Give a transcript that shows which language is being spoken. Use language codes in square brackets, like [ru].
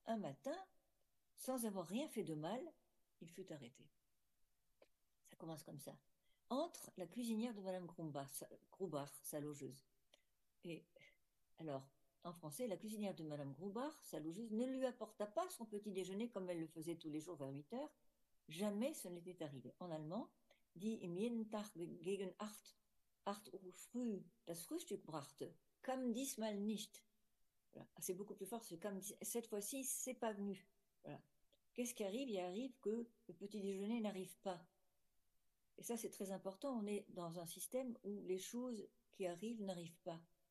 [fr] Un matin, sans avoir rien fait de mal, il fut arrêté. Ça commence comme ça. Entre la cuisinière de Madame Grubach, sa logeuse. Et alors, en français, la cuisinière de Madame Grubach, sa logeuse, ne lui apporta pas son petit déjeuner comme elle le faisait tous les jours vers 8 heures. Jamais ce n'était arrivé. En allemand, [de] die im jeden Tag gegen 8 Uhr früh das Frühstück brachte, kam diesmal nicht. [fr] Voilà. C'est beaucoup plus fort, cette fois-ci, c'est pas venu. Voilà. Qu'est-ce qui arrive? Il arrive que le petit déjeuner n'arrive pas. Et ça, c'est très important. On est dans un système où les choses qui arrivent n'arrivent pas.